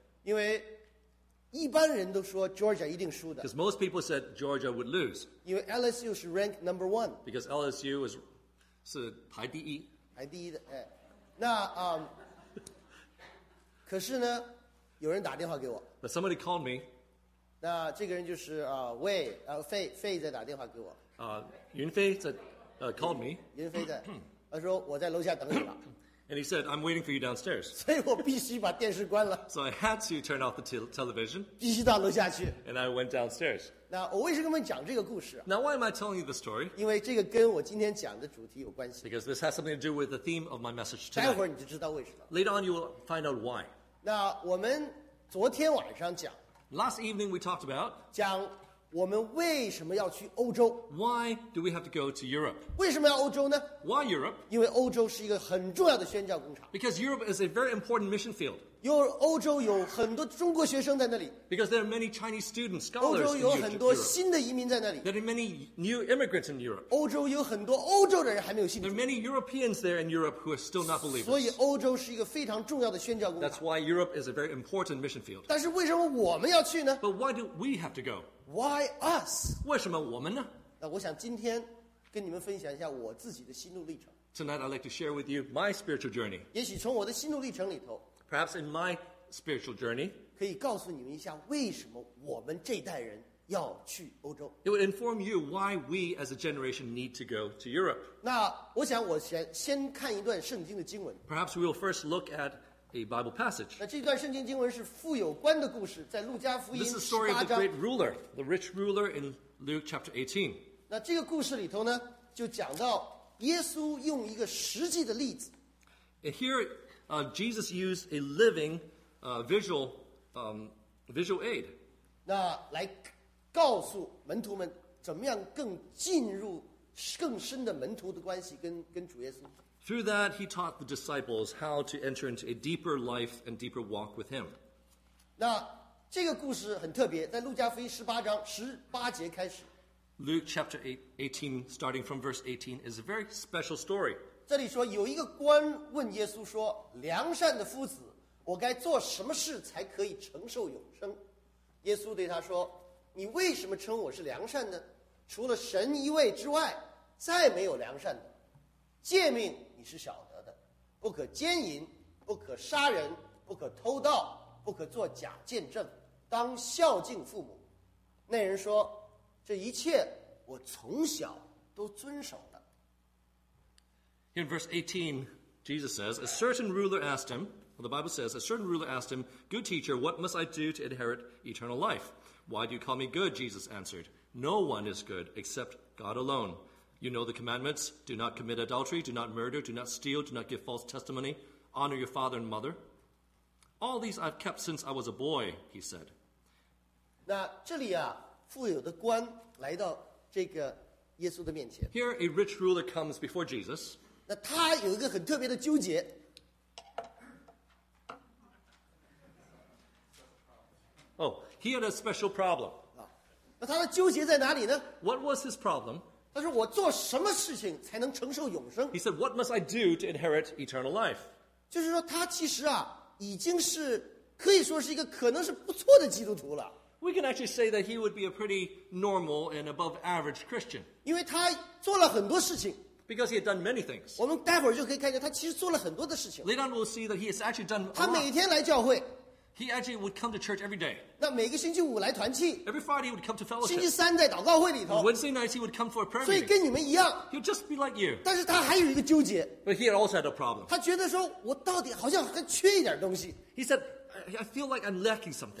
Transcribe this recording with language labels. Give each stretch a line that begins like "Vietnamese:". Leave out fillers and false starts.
Chinese: 因为一般人都说 Georgia 一定输的。
English: Because most people said Georgia would lose.
Chinese: 因为 LSU 是
English: ranked number one. Because LSU is
Chinese: 是排第一。排第一的，哎，那可是呢，有人打电话给我。
English: But somebody called me.
Chinese: 那这个人就是魏费费在打电话给我。
English: 云飞在called me.
Chinese: 云飞在，他说我在楼下等你了。
English: And he said, "I'm waiting for you downstairs."
Chinese: 所以我必须把电视关了。
English: So I had to turn off the television.
Chinese: 必须到楼下去。
English: And I went downstairs.
Chinese: 那我为什么跟你们讲这个故事？
English: Now why am I telling you the story?
Chinese: 因为这个跟我今天讲的主题有关系。
English: Because this has something to do with the theme of my message today.
Chinese: 待会儿你就知道为什么。
English: Later on, you will find out why.
Chinese: 那我们昨天晚上讲。
English: Last evening we talked about.
Chinese: 讲我们为什么要去欧洲
English: ？Why do we have to go to Europe？
Chinese: 为什么要欧洲呢
English: ？Why Europe？
Chinese: 因为欧洲是一个很重要的宣教工厂。
English: Because Europe is a very important mission field。
Chinese: 有欧洲有很多中国学生在那里。
English: Because there are many Chinese students, scholars in Europe。
Chinese: 欧洲有很多新的移民在那里。
English: There are many new immigrants in Europe。
Chinese: 欧洲有很多欧洲的人还没有信主。
English: There are many Europeans there in Europe who are still not believers。
Chinese: 所以欧洲是一个非常重要的宣教工厂。
English: That's why Europe is a very important mission field。
Chinese: 但是为什么我们要去呢
English: ？But why do we have to go？ Why us?
Chinese: 为什么我们呢？那我想今天跟你们分享一下我自己的心路历程。
English: Tonight I'd like to share with you my spiritual journey.
Chinese: 也许从我的心路历程里头
English: ，perhaps in my spiritual journey，
Chinese: 可以告诉你们一下为什么我们这代人要去欧洲。
English: It would inform you why we as a generation need to go to Europe.
Chinese: 那我想我先看一段圣经的经文。
English: Perhaps we will first look at. A Bible passage.
Chinese: 那这段圣经经文是富有官的故事，在路加福音十八章。
English: This is the story of the great ruler, the rich ruler in Luke chapter 18.
Chinese: 那这个故事里头呢，就讲到耶稣用一个实际的例子。
English: Here, Jesus used a living, visual aid.
Chinese: 那来告诉门徒们怎么样更进入更深的门徒的关系跟主耶稣。
English: Through that, he taught the disciples how to enter into a deeper life and deeper walk with him.
Chinese: 那这个故事很特别，在路加福音十八章十八节开始。
English: Luke chapter 18, starting from verse 18, is a very special story.
Chinese: 这里说有一个官问耶稣说：“良善的夫子，我该做什么事才可以承受永生？” 耶稣对他说：“你为什么称我是良善呢？除了神一位之外，再没有良善的。” 诫命你是晓得的，不可奸淫，不可杀人，不可偷盗，不可做假见证，当孝敬父母。那人说：“这一切我从小都遵守的。”
English: In verse 18, Jesus says, "A certain ruler asked him." Well, the Bible says, "A certain ruler asked him, 'Good teacher, what must I do to inherit eternal life?' 'Why do you call me good?' Jesus answered, 'No one is good except God alone.'" You know the commandments, do not commit adultery, do not murder, do not steal, do not give false testimony, honor your father and mother. All these I've kept since I was a boy, he said.
Chinese: 那这里啊，富有的官来到这个耶稣的面前。
English: Here a rich ruler comes before Jesus.
Chinese: 那他有一个很特别的纠结。
English: Oh, he had a special problem.
Chinese: 那他的纠结在哪里呢？
English: What was his problem?
Chinese: 他说：“我做什么事情才能承受永生
English: ？”He said, "What must I do to inherit eternal life?"
Chinese: 就是说，他其实啊，已经是可以说是一个可能是不错的基督徒了。
English: We can actually say that he would be a pretty normal and above average Christian.
Chinese: 因为他做了很多事情。
English: Because he had done many things.
Chinese: 我们待会儿就可以看见他其实做了很多的事情。
English: Later on, we'll see that he has actually done.
Chinese: 他每天来教会。
English: He actually would come to church every day.
Chinese: 那每个星期五来团契。
English: Every Friday he would come to fellowship.
Chinese: 星期三在祷告会里头。
English: Wednesday nights he would come for a prayer.
Chinese: 所以跟你们一样。
English: He'd just be like you.
Chinese: 但是他还有一个纠结。
English: But he had also had a problem.
Chinese: 他觉得说，我到底好像还缺一点东西。
English: He said, I feel like I'm lacking something.